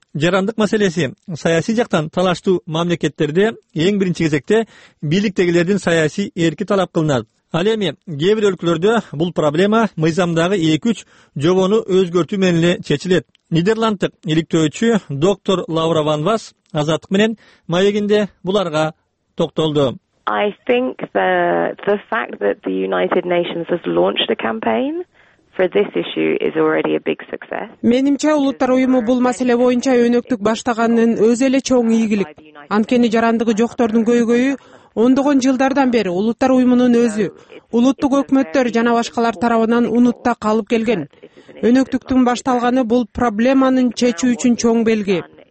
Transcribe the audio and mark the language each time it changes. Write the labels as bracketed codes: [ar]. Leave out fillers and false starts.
[ky] Жарандык маселеси саясий жактан талаштуу мамлекеттерде эң биринчи кезекте бийликтегилердин саясий эрки талап кылынат. Ал эми кээ бир өлкөлөрдө бул проблема мыйзамдагы 2-3 жобону өзгөртүү менен эле чечилет. Нидерланддык иликтөөчү доктор Лаура Ван Вас Азаттык менен маегинде буларга токтолду. [en] I think the fact that the United Nations has launched a campaign for this issue is already a big success. [ky] Менимче Улуттар уюму бул маселе боюнча өнөктүк баштаганын өзү эле чоң ийгилик. Анткени жарандыгы жоктордун көйгөйү ондогон жылдардан бери Улуттар уюмунун өзү, улуттук өкмөттөр жана башкалар тарабынан унутта калып келген. Өнөктүктүн башталганы бул проблеманын чечүү үчүн чоң белги.